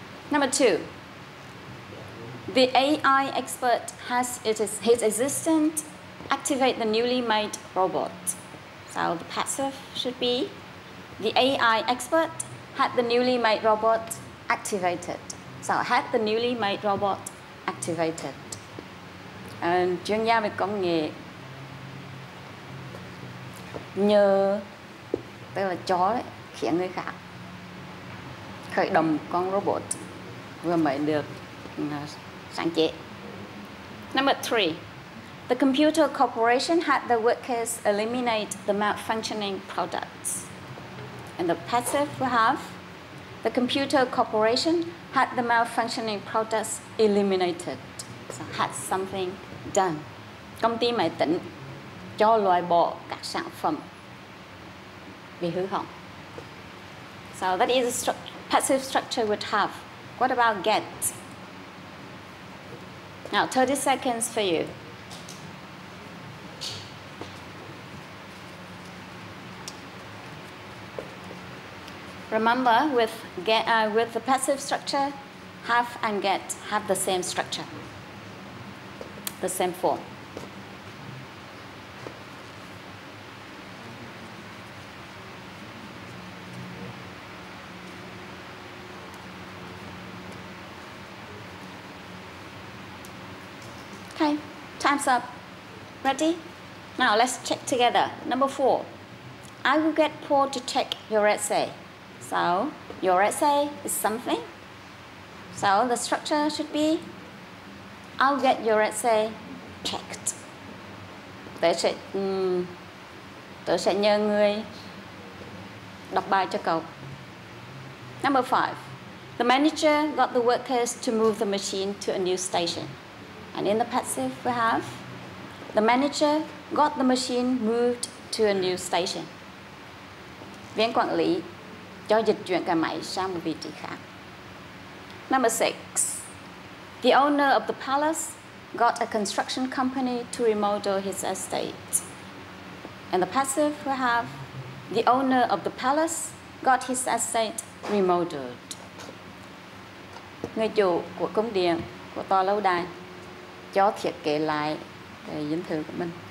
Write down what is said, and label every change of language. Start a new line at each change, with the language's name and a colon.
English: Number two, the AI expert has his assistant activate the newly made robot. So the passive should be the AI expert had the newly made robot activated. So had the newly made robot activated.
Vietnamese: Chuyên gia về công nghệ nhờ, tức là chó đấy, khiến người khác khởi động con robot vừa mới được sáng chế.
English: Number three, the computer corporation had the workers eliminate the malfunctioning products. And the passive we have, the computer corporation had the malfunctioning products eliminated. So had something done.
Vietnamese: Công ty máy tính cho loại bỏ các sản phẩm bị hư hỏng.
English: So that is a passive structure we'd have. What about get? Now 30 seconds for you. Remember, with the passive structure, have and get have the same structure, the same form. Okay, time's up. Ready? Now let's check together. Number four, I will get Paul to check your essay. So your essay is something. So the structure should be, I'll get your essay checked.
Vietnamese: Tôi sẽ nhờ người đọc bài cho cậu.
English: Number five, the manager got the workers to move the machine to a new station. And in the passive we have, the manager got the machine moved to a new station.
Vietnamese: Viên quản lý cho dịch chuyển cái máy sang một vị trí khác.
English: Number six, the owner of the palace got a construction company to remodel his estate. And the passive we have, the owner of the palace got his estate remodeled.
Vietnamese: Người chủ của cung điện, của tòa lâu đài, cho thiết kế lại cái dinh thự của mình.